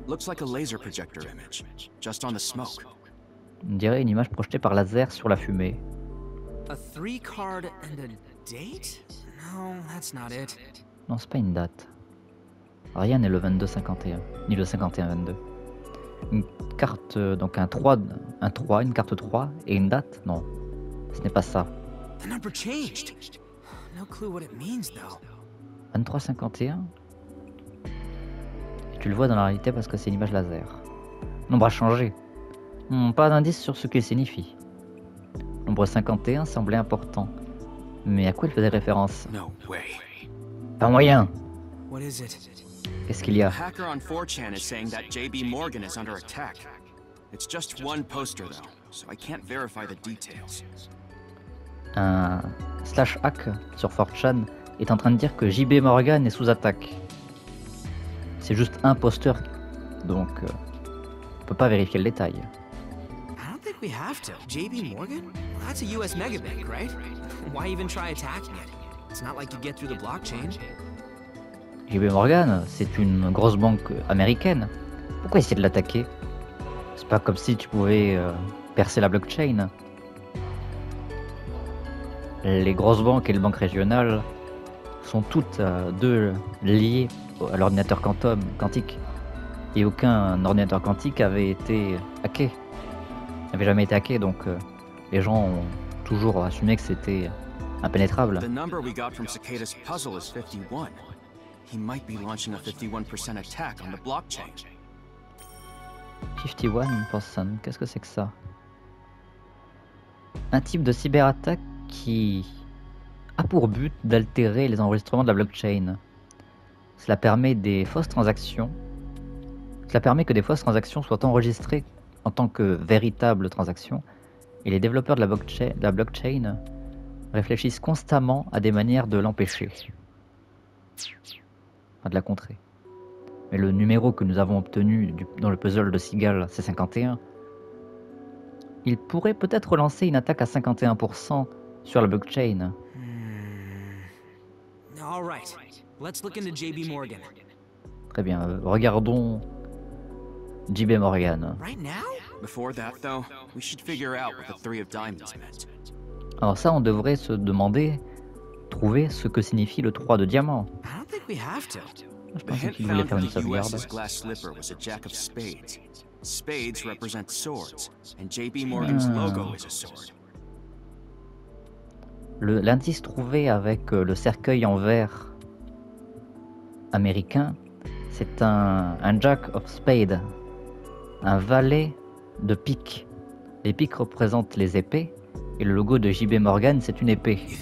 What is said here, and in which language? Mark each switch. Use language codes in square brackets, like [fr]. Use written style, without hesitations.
[en] Looks like a laser projector image, just on the smoke. [fr] On dirait une image projetée par laser sur la fumée. [en] A 3 card and a date? No, that's not it. [fr] Non, c'est pas une date. Rien n'est le 22-51, ni le 51-22. Une carte, donc un 3, une carte 3 et une date? Non, ce n'est pas ça. [en] The number changed. No clue what it means though. 23-51. [fr] Et tu le vois dans la réalité parce que c'est une image laser. Nombre a changé. Pas d'indice sur ce qu'il signifie. Nombre 51 semblait important. Mais à quoi il faisait référence? [en] No way. [fr] Pas moyen. [en] What is it? [fr] Qu'est-ce qu'il y a? Un hacker sur 4chan est [en] saying that JB Morgan is under attack. It's just one poster though, so I can't verify the details. [fr] Un slash hack sur 4chan est en train de dire que JB Morgan est sous attaque. C'est juste un poster, donc on peut pas vérifier le détail. [en] I don't think we have to. JB Morgan? That's a US megabank, right? Why even try attacking it? It's not like you get through the blockchain. [fr] JB Morgan, c'est une grosse banque américaine. Pourquoi essayer de l'attaquer? C'est pas comme si tu pouvais percer la blockchain. Les grosses banques et les banques régionales sont toutes deux liées à l'ordinateur quantique. Et aucun ordinateur quantique avait été hacké. N'avait jamais été hacké, donc les gens ont toujours assumé que c'était impénétrable. [en] The number we got from Cicada's puzzle is 51. He might be launching a 51% attack on the blockchain. [fr] 51%, qu'est-ce que c'est que ça? Un type de cyberattaque qui a pour but d'altérer les enregistrements de la blockchain. Cela permet des fausses transactions. Cela permet que des fausses transactions soient enregistrées en tant que véritables transactions. Et les développeurs de la blockchain réfléchissent constamment à des manières de l'empêcher. Enfin, de la contrer. Mais le numéro que nous avons obtenu dans le puzzle de Seagal, c'est 51. Il pourrait peut-être lancer une attaque à 51% sur la blockchain. [en] All right. Let's look into JB Morgan. [fr] Très bien, regardons JB Morgan. [en] Right now? Before that though, we should figure out what the three of diamonds meant. [fr] Alors ça, on devrait se demander, trouver ce que signifie le 3 de diamant. [en] I don't think we have to. [fr] Je pensais qu'il voulait faire une sauvegarde. [en] US's glass slipper was a jack of spades. Spades represent swords, and JB Morgan's logo is a sword. [fr] L'indice trouvé avec le cercueil en verre américain, c'est un [en] jack of spades, [fr] un valet de pique. Les piques représentent les épées, et le logo de JB Morgan, c'est une épée.